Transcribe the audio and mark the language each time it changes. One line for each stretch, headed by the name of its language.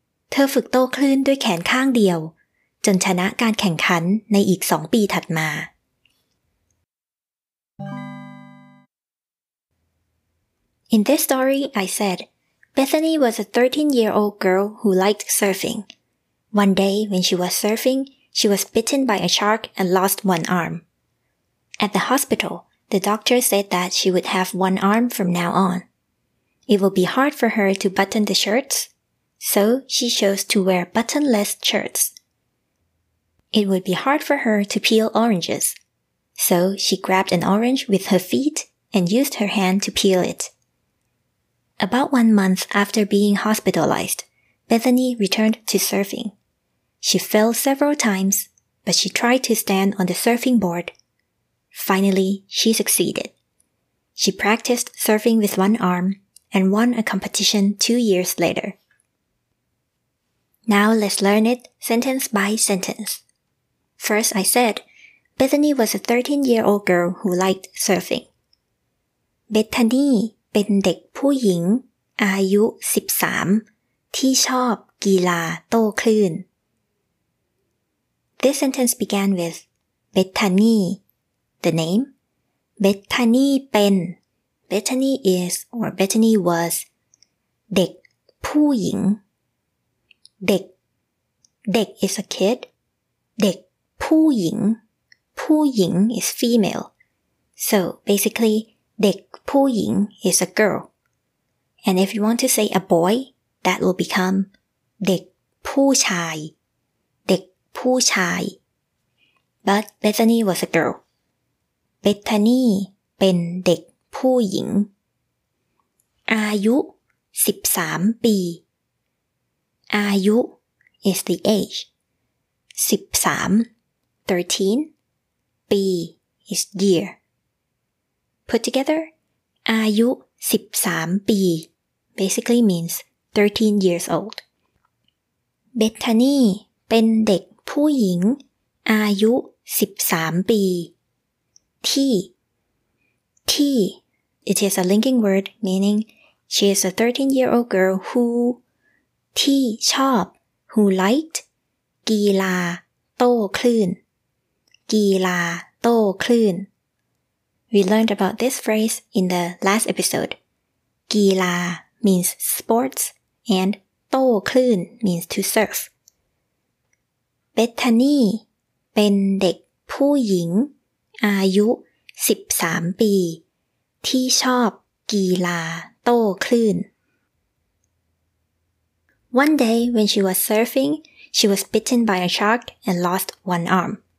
Thai: เธอฝึกโต้คลื่นด้วยแขนข้างเดียวจนชนะการแข่งขันในอีก2 ปีถัดมา
English: In this story, I said, Bethany was a 13-year-old girl who liked surfing. One day, when she was surfing, she was bitten by a shark and lost one arm. At the hospital, the doctor said that she would have one arm from now on. It will be hard for her to button the shirts, so she chose to wear buttonless shirts. It would be hard for her to peel oranges, so she grabbed an orange with her feet and used her hand to peel it. About 1 month after being hospitalized, Bethany returned to surfing. She fell several times, but she tried to stand on the surfing board. Finally, she succeeded. She practiced surfing with one arm and won a competition 2 years later. Now let's learn it sentence by sentence. First, I said, Bethany was a 13-year-old girl who liked surfing. Bethany.
Thai: เป็นเด็กผู้หญิงอายุ13ที่ชอบกีฬาโต้คลื่น
English: This sentence began with Bethany, the name. Bethany
Thai: เป็น
English: Bethany is or Bethany was
Thai: เด็กผู้หญิงเด็ก
English: is a kid.
Thai: เด็กผู้หญิงผู้หญิง
English: is female. So basically,
Thai: เด็กผู้หญิง
English: is a girl. And if you want to say a boy, that will become
Thai: เด็กผู้ชายเด็กผู้ชาย
English: But Bethany was a girl.
Thai: Bethany เป็นเด็กผู้หญิงอายุ13ปีอายุ
English: is the age. 13
Thai: 13ปี
English: is year. Put together,
Thai: อายุ13ปี
English: basically means 13 years old. Bethany
Thai: เป็นเด็กผู้หญิงอายุ13ปีที่
English: it is a linking word meaning she is a 13-year-old girl who
Thai: ที่ชอบ
English: who liked
Thai: กีฬาโต้คลื่นกีฬาโต้คลื่น
English: We learned about this phrase in the last episode.
Thai: กีฬา
English: means sports and
Thai: โต้คลื่น
English: means to surf. Bethany
Thai: เป็นเด็กผู้หญิงอายุ13ปีที่ชอบกีฬาโต้คลื่น
English: One day when she was surfing, she was bitten by a shark and lost one arm.